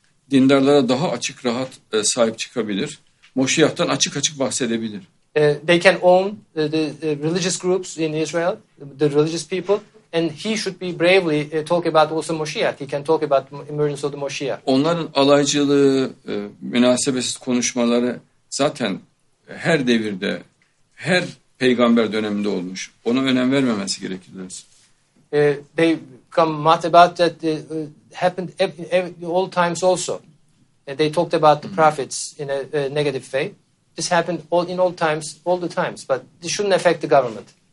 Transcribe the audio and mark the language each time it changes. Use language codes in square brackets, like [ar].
[tr] Dindarlara daha açık, rahat sahip çıkabilir. Moşiyah'tan açık açık bahsedebilir. [en] They can own the religious groups in Israel, the religious people, and he should be bravely talk about also Moshiach. He can talk about emergence of the Moshiach. [tr] Onların alaycılığı, münasebetsiz konuşmaları zaten her devirde, her Peygamber döneminde olmuş. Ona önem vermemesi gerekirler. [en] They come mad about that happened all times also. They talked about the prophets in a negative way. This happened all the times, but this shouldn't affect the government.